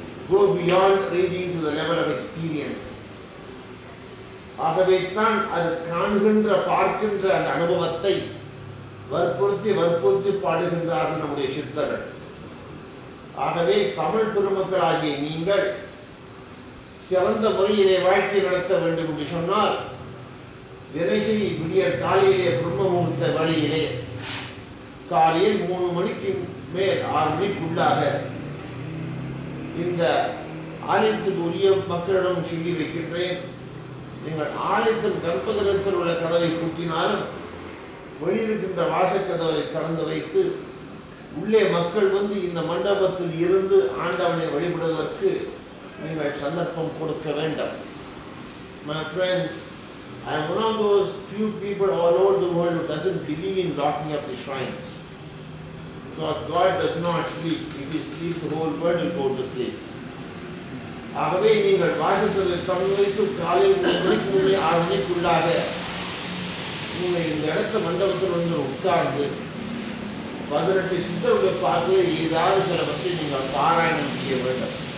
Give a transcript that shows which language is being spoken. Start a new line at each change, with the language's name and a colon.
English: Go beyond reading to the level of experience.
Tamil: ஆகவேத்தான் அது காண்கின்ற பார்க்கின்ற அந்த அனுபவத்தை வற்புறுத்தி வற்புறுத்தி பாடுகின்றார்கள் நம்முடைய சித்தர்கள். ஆகவே தமிழ் பெருமக்கள் ஆகிய நீங்கள் சிறந்த முறையிலே வாழ்க்கை நடத்த வேண்டும் என்று சொன்னால் தினசரி விடிய காலையிலே பிரம்ம முகூர்த்த வழியிலே காலையில் 3 மணிக்கு மேல் 6 மணிக்குள்ளாக இந்த ஆலயத்துக்கு உரிய மக்களிடம் சொல்லி வைக்கின்றேன். நீங்கள் ஆலயத்தின் கர்ப்பகிரகத்தில் உள்ள கதவை கூட்டினாலும் வெளியிருக்கின்ற வாசக்கதவரை திறந்து வைத்து உள்ளே மக்கள் வந்து இந்த மண்டபத்தில் இருந்து ஆண்டவனை வழிபடுவதற்கு நீங்கள் சந்தர்ப்பம் கொடுக்க வேண்டும்.
English: My friends, I am one of those few people all over the world who doesn't believe in locking up the shrines. Because God does not sleep. If he sleeps, the whole world will go to sleep.
Tamil: ஆகவே நீங்கள் வாசத்தில் தங்கு காலையில் 3 மணிக்குள்ளாக நீங்கள் இந்த இடத்த மண்டபத்தில் வந்து உட்கார்ந்து 18 சித்தர்களை பார்த்து ஏதாவது சில பற்றி நீங்கள் பாராயணம் செய்ய வேண்டும்.